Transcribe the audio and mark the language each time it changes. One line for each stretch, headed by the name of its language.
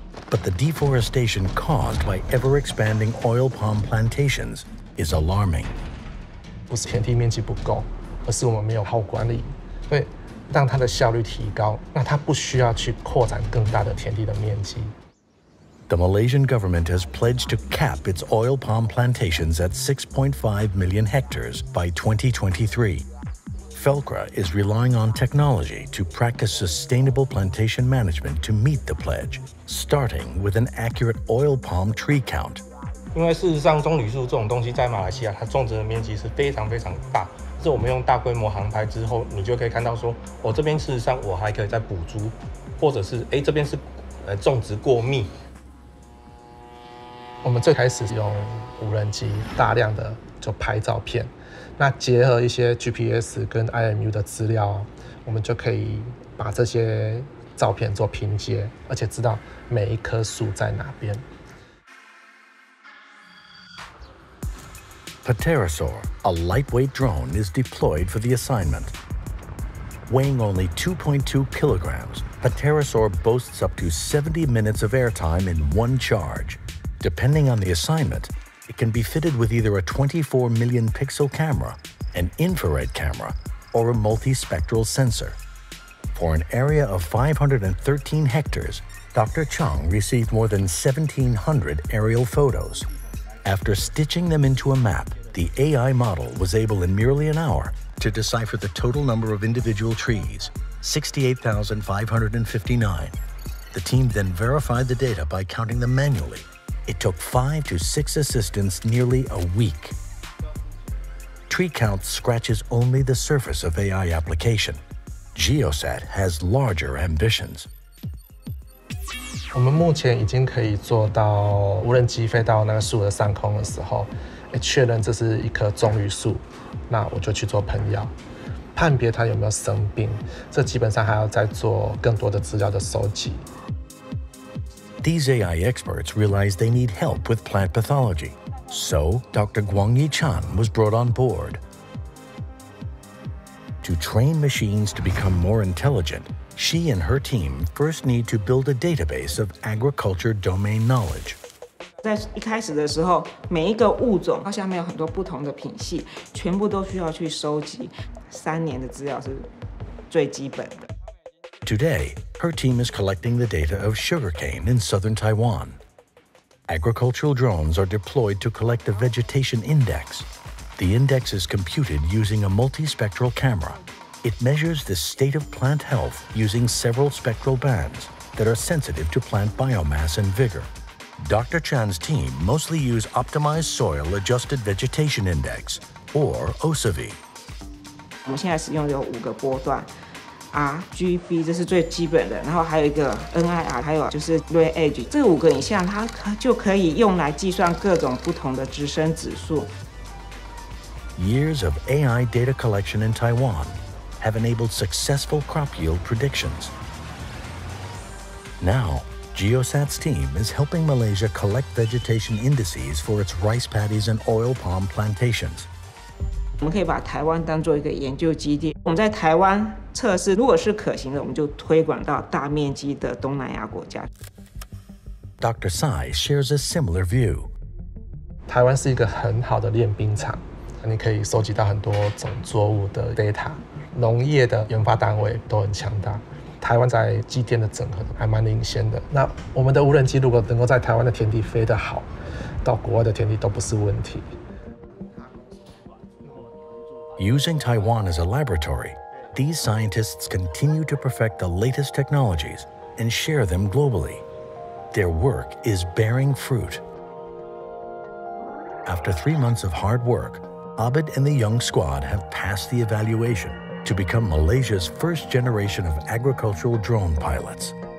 English: But the deforestation caused by ever-expanding oil palm plantations is alarming.
Chinese: 不是田地面积不够，而是我们没有好管理。让它的效率提高，那它不需要去扩展更大的田地的面积。
English: The Malaysian government has pledged to cap its oil palm plantations at 6.5 million hectares by 2023. Felcra is relying on technology to practice sustainable plantation management to meet the pledge, starting with an accurate oil palm tree count.
Chinese: 因为事实上，棕榈树这种东西在马来西亚，它种植的面积是非常非常大。是我们用大规模航拍之后，你就可以看到说，我这边事实上我还可以再补足，或者是这边是种植过密。我们最开始用无人机大量的就拍照片，那结合一些 GPS 跟 IMU 的资料，我们就可以把这些照片做拼接，而且知道每一棵树在哪边。
English: Pterosaur, a lightweight drone, is deployed for the assignment. Weighing only 2.2 kilograms, Pterosaur boasts up to 70 minutes of airtime in one charge. Depending on the assignment, it can be fitted with either a 24 million pixel camera, an infrared camera, or a multispectral sensor. For an area of 513 hectares, Dr. Chang received more than 1,700 aerial photos. After stitching them into a map,The AI model was able in merely an hour to decipher the total number of individual trees, 68,559. The team then verified the data by counting them manually. It took 5 to 6 assistants nearly a week. Tree count scratches only the surface of AI application. GEOSAT has larger ambitions.
Chinese: 我们目前已经可以做到无人机飞到那个树的上空的时候，确认这是一棵棕榈树，那我就去做喷药，判别它有没有生病。这基本上还要再做更多的资料的收集。
English: These AI experts realize they need help with plant pathology, so Dr. Guang Yi Chan was brought on board to train machines to become more intelligent. She and her team first need to build a database of agriculture domain knowledge.
Chinese: 在一开始的时候，每一个物种它下面有很多不同的品系，全部都需要去收集3年的资料是最基本的。
English: Today, her team is collecting the data of sugarcane in southern Taiwan. Agricultural drones are deployed to collect the vegetation index. The index is computed using a multispectral camera. It measures the state of plant health using several spectral bands that are sensitive to plant biomass and vigor. Dr. Chan's team mostly use Optimized Soil Adjusted Vegetation Index, or OSAVI.
Chinese: 我们现在使用有5个波段，RGB 这是最基本的，然后还有一个 NIR， 还有就是 Red Edge， 这五个影像它就可以用来计算各种不同的支声指数。
English: Years of AI data collection in Taiwan have enabled successful crop yield predictions. Now, Geosat's team is helping Malaysia collect vegetation indices for its rice paddies and oil palm plantations.
Chinese: 我们可以把台湾当作一个研究基地，我们在台湾测试，如果是可行的，我们就推广到大面积的东南亚国家。
English: Dr. Tsai shares a similar view.
Chinese: 台湾是一个很好的练兵场。你可以收集到很多种作物的 data， 农业的研发单位都很强大，台湾在机电的整合还蛮领先的。那我们的无人机如果能够在台湾的田地飞得好，到国外的田地都不是问题。
English: Using Taiwan as a laboratory, these scientists continue to perfect the latest technologies and share them globally. Their work is bearing fruit. After 3 months of hard work,Abid and the young squad have passed the evaluation to become Malaysia's first generation of agricultural drone pilots.